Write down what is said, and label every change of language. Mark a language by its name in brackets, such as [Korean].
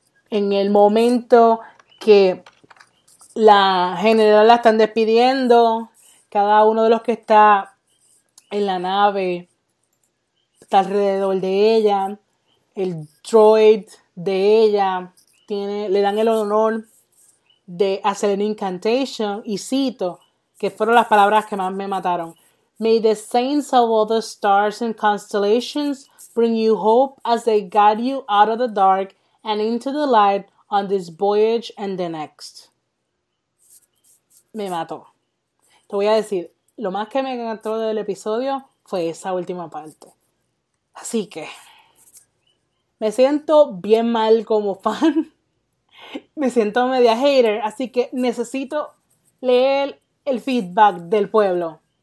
[Spanish] En el momento que la general la están despidiendo, cada uno de los que está en la nave está alrededor de ella, el droid de ella le dan el honor de hacer el incantation, y cito, que fueron las palabras que más me mataron. [English] May the saints of all the stars and constellations bring you hope as they guide you out of the dark and into the light on this voyage and the next. [Spanish] Me mató. Te voy a decir, lo más que me encantó del episodio fue esa última parte. Así que, me siento bien mal como fan. Me siento media hater, así que necesito leer el feedback del pueblo.